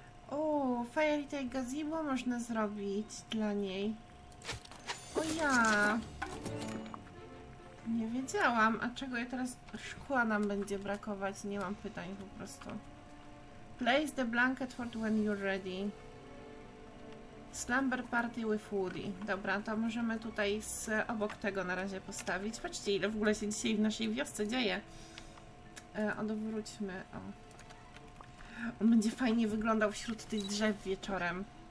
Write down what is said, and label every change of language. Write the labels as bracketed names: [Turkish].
[Polish] O, fajnie tutaj gazebo można zrobić dla niej. O ja! Nie wiedziałam, a czego je teraz szkła nam będzie brakować? Nie mam pytań po prostu. [English] Place the blanket for when you're ready. Slumber party with Woody. [Polish] Dobra, to możemy tutaj z obok tego na razie postawić. Patrzcie, ile w ogóle się dzisiaj w naszej wiosce dzieje. Odwróćmy. O. On będzie fajnie wyglądał wśród tych drzew wieczorem.